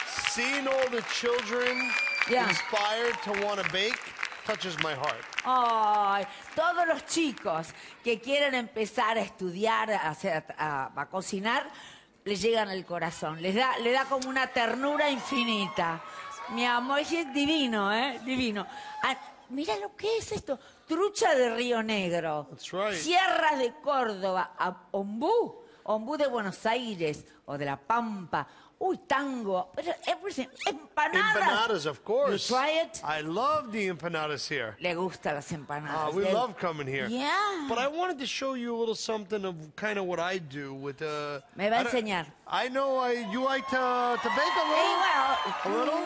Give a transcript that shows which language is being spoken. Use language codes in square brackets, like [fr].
[en] Seeing all the children inspired to want to bake touches my heart. [es] Ay, todos los chicos que quieren empezar a estudiar, a cocinar, les llegan al corazón. Les da como una ternura infinita. Mi amor, es divino, ¿eh? Divino. Ay, mira lo que es esto. Trucha de Río Negro. [en] That's right. [es] Sierra de Córdoba. A Ombú. Ombú de Buenos Aires o de La Pampa. Uy, tango. Everything. Empanadas. [en] Empanadas, of course. You try it? I love the empanadas here. [es] Le gustan las empanadas. [en] We love coming here. Yeah. But I wanted to show you a little something of kind of what I do with the... [es] Me va a enseñar. [en] I know you like to bake a little.